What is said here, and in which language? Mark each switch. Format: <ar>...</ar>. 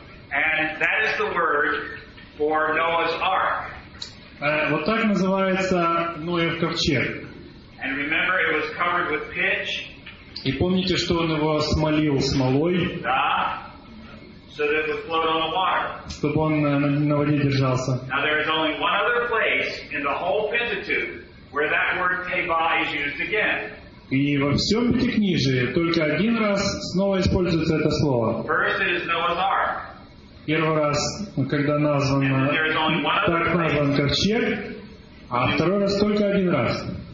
<en>And that is the word for Noah's ark.</en> <ru>Вот так называется Ноев ковчег.</ru> <en>And remember, it was covered with pitch.</en> <ru>И помните, что он его смолил смолой. Да.</ru> <en>So that it would float on the water.</en> <ru>Чтобы он на воде держался.</ru> <en>Now there is only one other place in the whole Pentateuch where that word Tevah is used again.</en> <ru>И во всем Пятикнижии только один раз снова используется это слово.</ru> <en>First is Noah's ark.</en> <ru>Первый раз, когда назван, так назван ковчег, а второй раз только один раз.</ru>